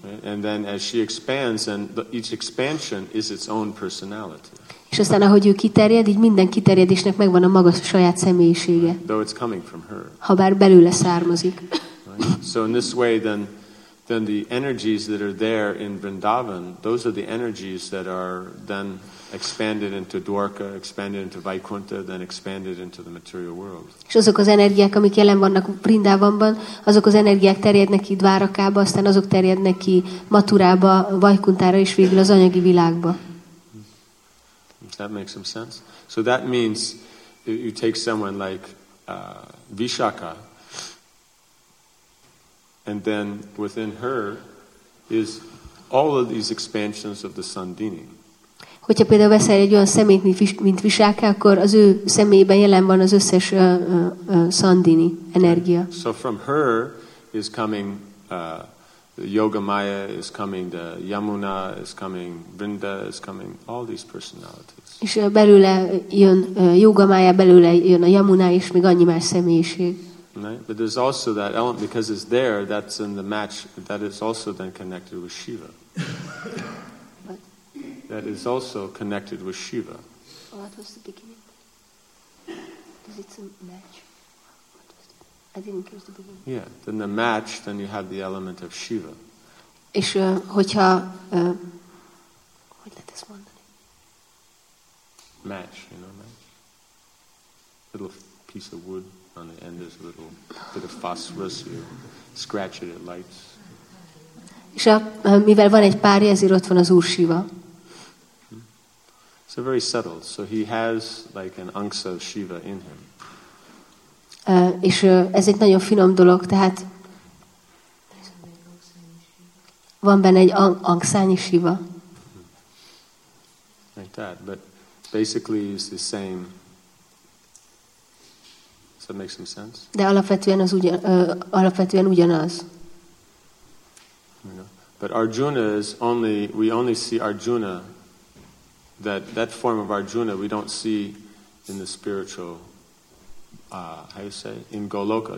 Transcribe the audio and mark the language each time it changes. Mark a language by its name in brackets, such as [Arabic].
[English] And then as she expands, and each expansion is its own personality. [Hungarian] És aztán ahogy ő kiterjed, így minden kiterjedésnek megvan a maga saját személyisége. [English] Though it's coming from her. [Hungarian] Habár belőle származik. [English] Right? So in this way, then the energies that are there in Vrindavan, those are the energies that are then expanded into Dwarka, expanded into Vaikuntha, then expanded into the material world. [Hungarian] És azok az energiák, amik jelen vannak Vrindavanban, azok az energiák terjednek ki Dvárakába, aztán azok terjednek ki Maturába, Vaikuntára és végül az anyagi világba. [English] Does that make some sense? So that means you take someone like Vishakha, and then within her is all of these expansions of the Sandini. [Hungarian] Hogyha például veszel egy olyan személyt, mint Vishakha, akkor az ő személyében jelen van az összes Sandini energia. [English] So from her is coming the Yoga Maya, is coming the Yamuna, is coming Vrinda, is coming all these personalities. [Hungarian] És belőle jön Yoga Maya, belőle jön a Yamuna, és még annyi más személyiség. [English] Right? But there's also that element, because it's there, that's in the match, that is also then connected with Shiva. That is also connected with Shiva. Oh, that was the beginning. Is it a match? I didn't catch the beginning. Yeah, then the match, then you have the element of Shiva. [Hungarian] És hogyha... hogy lehet ezt mondani? [English] Match, you know, match? Little piece of wood. On the end there's a little bit of phosphorus, you scratch it, it lights. [Hungarian] És mivel van egy párja, ezért ott van az Úr Shiva. [English] So very subtle. So he has like an unksa of Shiva in him. [Hungarian] És ez egy nagyon finom dolog, tehát van benne egy angszányi Shiva. [English] Like that, but basically it's the same. Does that make some sense? [Hungarian] De alapvetően az alapvetően ugyanaz. [English] But Arjuna is only, we only see Arjuna. That form of Arjuna we don't see in the spiritual how you say in Goloka.